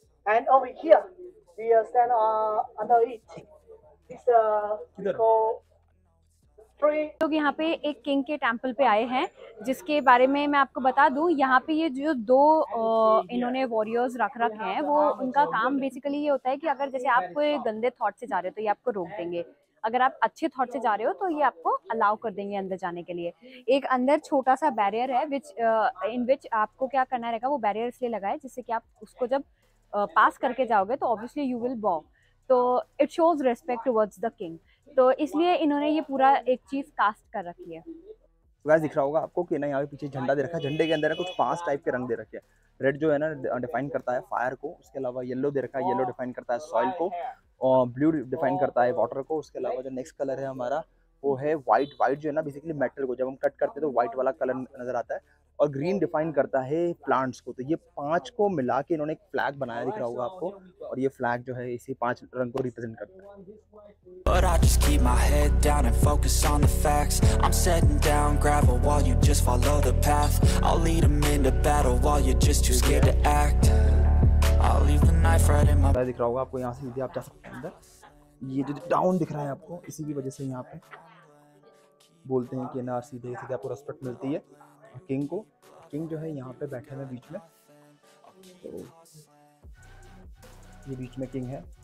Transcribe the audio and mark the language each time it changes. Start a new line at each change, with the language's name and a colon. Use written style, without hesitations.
English: And over here, we stand under it. This
Hindi: लोग यहाँ पे एक किंग के टेम्पल पे आए हैं, जिसके बारे में मैं आपको बता दूँ यहाँ पे ये जो दो इन्होंने वॉरियर्स रख रखे हैं वो उनका काम बेसिकली ये होता है कि अगर जैसे आप कोई गंदे थॉट से जा रहे हो तो ये आपको रोक देंगे, अगर आप अच्छे थॉट से जा रहे हो तो ये आपको अलाउ कर देंगे अंदर जाने के लिए। एक अंदर छोटा सा बैरियर है इन विच आपको क्या करना रहेगा, वो बैरियर इसलिए लगा है जिससे कि आप उसको जब पास करके जाओगे तो ऑब्वियसली
English: you will बॉ,
Hindi: तो
English: it shows respect towards the king,
Hindi: तो इसलिए इन्होंने ये पूरा एक चीज कास्ट कर रखी है। तो गाइस दिख रहा होगा आपको कि ना यहाँ पे पीछे झंडा दे रखा है, झंडे के अंदर है कुछ 5 टाइप के रंग दे रखे हैं। रेड जो है ना डिफाइन करता है फायर को, उसके अलावा येलो दे रखा है, येलो डिफाइन करता है सॉइल को, और ब्लू डिफाइन करता है वाटर को, उसके अलावा जो नेक्स्ट कलर है हमारा वो है व्हाइट। व्हाइट जो है ना बेसिकली मेटल को जब हम कट करते हैं तो व्हाइट वाला कलर नजर आता है, और ग्रीन डिफाइन करता है प्लांट्स को। तो ये 5 को मिला के इन्होंने एक फ्लैग बनाया, दिख रहा होगा आपको, और ये फ्लैग जो है इसी 5 रंग को रिप्रेजेंट करता है।
English: But I just keep my head down and focus on the facts. I'm setting down gravel while you just follow the path. I'll lead them into battle while you're just too scared to act. I'll leave the knife right in my...
Hindi: दिख रहा होगा आपको यहाँ से सीधे आप जा सकते हैं अंदर। ये जो टाउन दिख रहा है आपको इसी की वजह से यहाँ पे बोलते हैं कि ना सीधे सीधे आपको रेस्पेक्ट मिलती है किंग को। किंग जो है यहाँ पे बैठे हैं बीच में, तो ये बीच में किंग है।